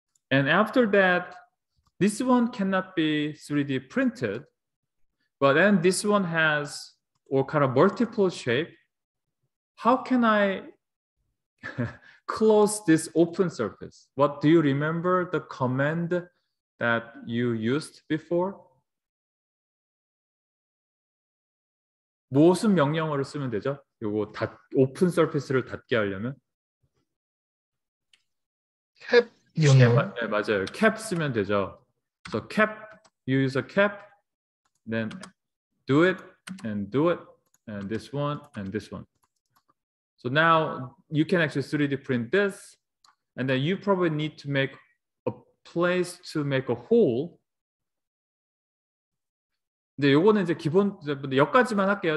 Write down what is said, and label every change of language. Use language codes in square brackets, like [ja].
[en] And after that, this one cannot be 3D printed, but then this one has, or kind of multiple shape. How can I close this open surface? What do you remember the command that you used before? [ko] 무슨 명령어를 쓰면 되죠? 요거 닫 오픈 서피스를 닫게 하려면 캡 명령어. 네, 맞아요. 캡 쓰면 되죠. [en] So cap, you use a cap, then do it and do it and this one and this one. So now you can actually 3D print this, and then you probably need to make a place to make a hole. [ko] 네, 요거는 이제 기본 여기까지만 할게요.